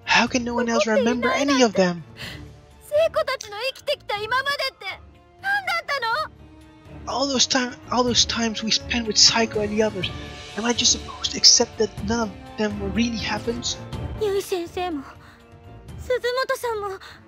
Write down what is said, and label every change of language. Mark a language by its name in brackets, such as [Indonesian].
[English] How can no one else remember any of them? [Japanese] 生徒たちの生きてきた今までって何だったの [English] ？All those times we spent with Saiko and the others, am I just supposed to accept that none of them really happens? [Japanese] ゆい先生も、鈴本さんも。